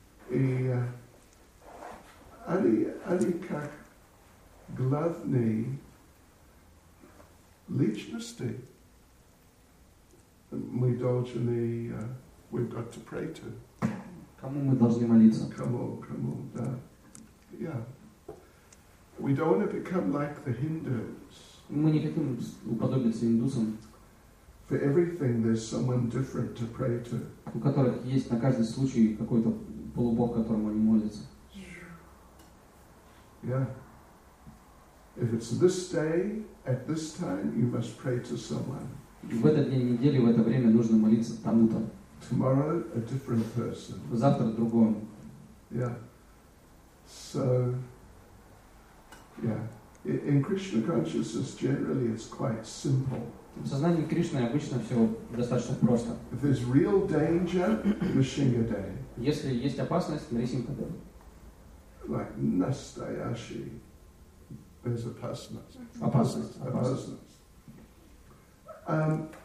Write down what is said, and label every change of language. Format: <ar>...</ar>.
<ru>И они как главные личности, мы должны,</ru> <en>we've got to pray to.</en> <ru>Кому мы должны молиться? Кому, да. Yeah.</ru> <en>We don't want to become like the Hindus.</en> <ru>Мы не хотим уподобиться индусам.</ru> <en>For everything there's someone different to pray to.</en> <ru>У которых есть на каждый случай какой-то полубог, которому они молятся.</ru> <en>Yeah. If it's this day at this time, you must pray to someone.</en> <ru>В этот день недели в это время нужно молиться тому-то.</ru> <en>Tomorrow a different person.</en> <ru>Завтра другому.</ru> <en>Yeah. So. Yeah, in Krishna consciousness generally it's quite simple.</en> <ru>В сознании Кришны обычно все достаточно просто.</ru> <en>If there's real danger, Nrisimha Dev.</en> <ru>Если есть опасность, Нрисимха Дев.</ru> <en>Like</en> <ru>настоящий,</ru> <en>there's</en> <ru>опасность. Опасность.</ru>